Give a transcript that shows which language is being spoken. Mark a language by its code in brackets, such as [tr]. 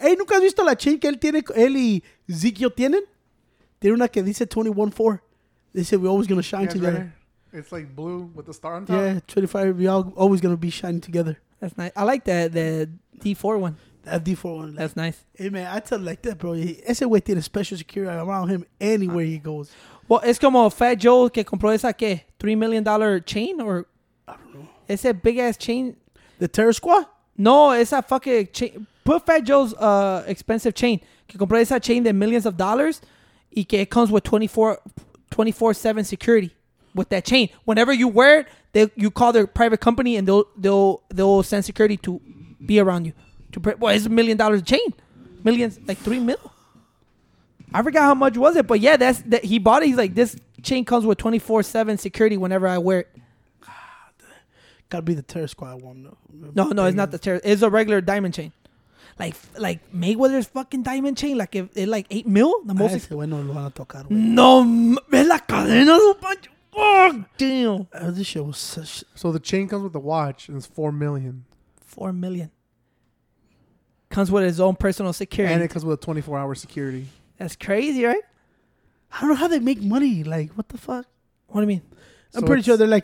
[es] Hey, nunca has visto la chain que él tiene, él y Zico tienen? Tiene una que dice 21-4. [en] They said we're always going to shine together. Right. It's like blue with the star on top. Yeah, 25. We all always going to be shining together. That's nice. I like the D4 one. That D4 one. That's nice. Hey, man, I tell like that, bro. [es] Ese güey tiene [en] special security around him anywhere he goes. [es] Well, es como Fat Joe que compró esa que [en] $3 million chain or... It's a big ass chain. The Terror Squad? No, it's a fucking chain. Put Fat Joe's expensive chain. [es] Que compró esa [en] chain de millions of dollars [es] y que [en] it comes with 24/7 security with that chain. Whenever you wear it, you call their private company and they'll send security to be around you. Well, it's $1 million chain. Millions, like $3 million. I forgot how much was it, but yeah, he bought it. He's like, this chain comes with 24/7 security whenever I wear it. Gotta be the Terror Squad one though. No, it's not the Terror. It's a regular diamond chain, like Mayweather's fucking diamond chain. Like if it like $8 million, the most. [es] Ay, bueno, lo van a tocar, no, es la cadena de un pancho. [en] Oh, damn. This shit was such. So the chain comes with the watch and it's $4 million. $4 million. Comes with his own personal security. And it comes with a 24-hour security. That's crazy, right? I don't know how they make money. Like, what the fuck? What do you mean? I'm so pretty sure they're like...